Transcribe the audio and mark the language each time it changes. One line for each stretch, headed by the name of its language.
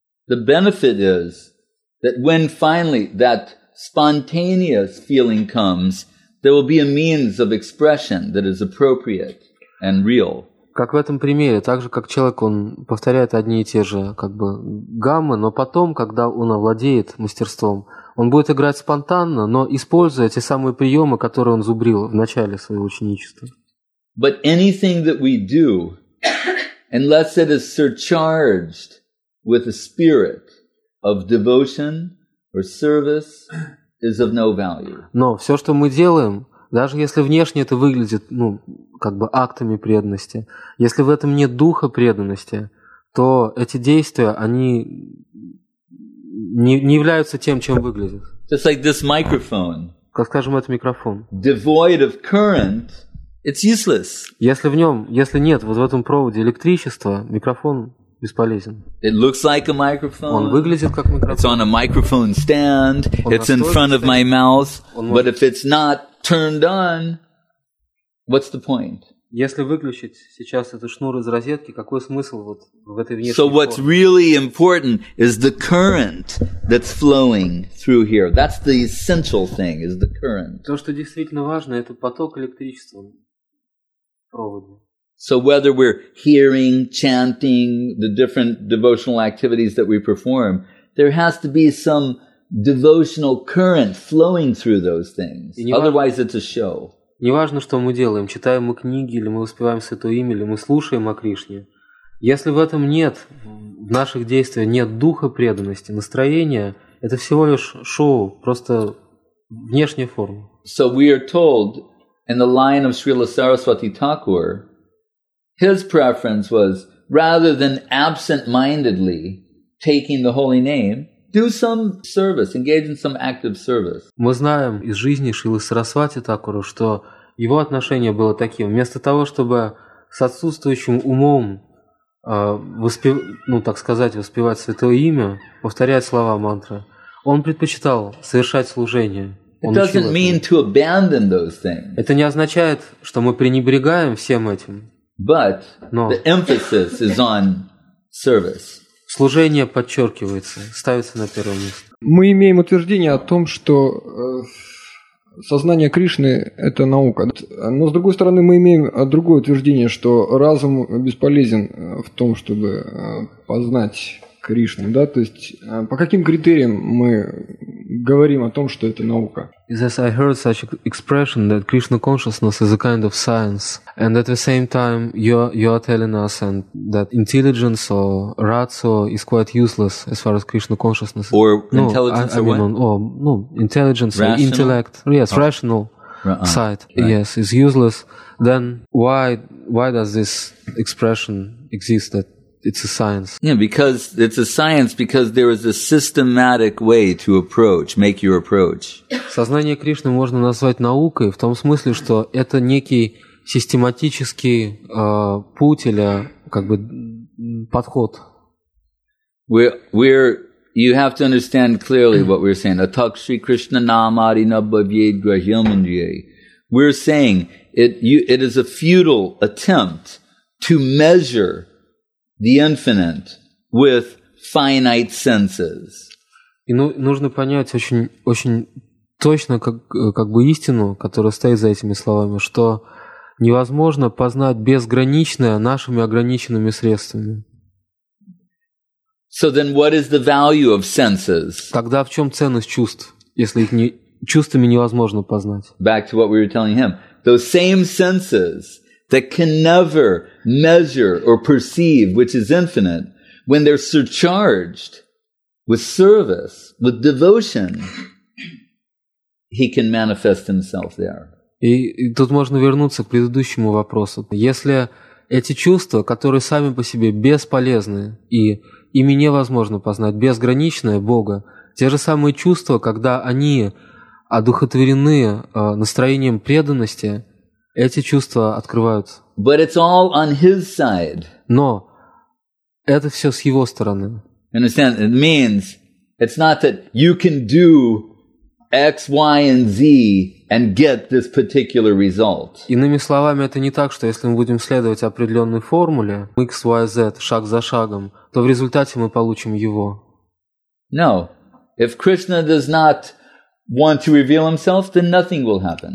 English: The benefit is that when finally that spontaneous feeling comes, there will be a means of expression that is appropriate and real.
Russian: Как в этом примере, так же, как человек, он повторяет одни и те же как бы гаммы, но потом, когда он овладеет мастерством, он будет играть спонтанно, но используя те самые приемы, которые он зубрил в начале своего ученичества.
English: But anything that we do, unless it is surcharged with a spirit of devotion or service, is of no value.
Russian: Но все, что мы делаем, даже если внешне это выглядит, ну, как бы актами преданности, если в этом нет духа преданности, то эти действия, они не являются тем, чем выглядят.
English: Just like this microphone.
Russian: Как, скажем, этот микрофон.
English: Devoid of current, it's useless.
Russian: Если в нем, если нет вот в этом проводе электричества, микрофон бесполезен.
English: It looks like a microphone.
Russian: Он выглядит как микрофон.
English: It's on a microphone stand. It's in front of my mouth. But if it's not turned on, what's the point?
Russian: Если выключить сейчас этот шнур из розетки, какой смысл вот в этой внешней?
English: So what's really important is the current that's flowing through here. That's the essential thing, is the current.
Russian: То, что действительно важно, это поток электричества в проводе.
English: So whether we're hearing, chanting, the different devotional activities that we perform, there has to be some devotional current flowing through those things. Otherwise, it's a show.
Russian: Не важно, что мы делаем, читаем мы книги, или мы воспеваем святое имя, или мы слушаем о Кришне. Если в этом нет, в наших действиях нет духа преданности, настроения, это всего лишь шоу, просто внешняя форма.
English: So we are told in the line of Srila Saraswati Thakur, his preference was rather than absent-mindedly taking the holy name, do some service, engage in some active service.
Russian: Мы знаем из жизни Шрилы Сарасвати Такуру, что его отношение было таким: вместо того, чтобы с отсутствующим умом воспевать святое имя, повторять слова мантры, он предпочитал совершать служение.
English: It doesn't mean to abandon those things.
Russian: Это не означает, что мы пренебрегаем всем этим.
English: But the emphasis is on service.
Russian: Служение подчеркивается, ставится на первое место. Мы имеем утверждение о том, что сознание Кришны – это наука. Но, с другой стороны, мы имеем другое утверждение, что разум бесполезен в том, чтобы познать Кришну. Да? То есть, по каким критериям мы говорим о том, что это наука?
English: Yes, I heard such expression that Krishna consciousness is a kind of science, and at the same time you are telling us and that intelligence or ratio is quite useless as far as Krishna consciousness. Or no, intelligence, I mean, what? Intelligence, rational? Intellect, yes, oh. Rational side, right. Yes, is useless. Then why does this expression exist that it's a science? Yeah, because it's a science because there is a systematic way to approach, make your approach.
Russian: Сознание Кришны можно назвать наукой в том смысле, что это некий систематический путь или как бы подход.
English: You have to understand clearly what we're saying.
Sanskrit: Atak Shri Krishna Namadi Nabhavyed Grahyamandye.
English: We're saying it is a futile attempt to measure the infinite with finite senses.
Russian: И нужно понять очень точно, как бы истину, которая стоит за этими словами, что невозможно познать безграничное нашими ограниченными средствами.
English: So then what is the value of senses?
Russian: Тогда в чем ценность чувств, если их чувствами невозможно познать?
English: Back to what we were telling him. Those same senses that can never measure or perceive, which is infinite, when they're surcharged with service, with devotion, he can manifest himself there.
Russian: И тут можно вернуться к предыдущему вопросу. Если эти чувства, которые сами по себе бесполезны, и ими невозможно познать, безграничное Бога, те же самые чувства, когда они одухотворены настроением преданности, эти чувства открываются.
English: But it's all on his side.
Russian: Но это все с его стороны.
English: Understand? It means it's not that you can do X, Y, and Z and get this particular result.
Russian: Иными словами, это не так, что если мы будем следовать определенной формуле X, Y, Z, шаг за шагом, то в результате мы получим его.
English: No. If Krishna does not want to reveal himself, then nothing will happen.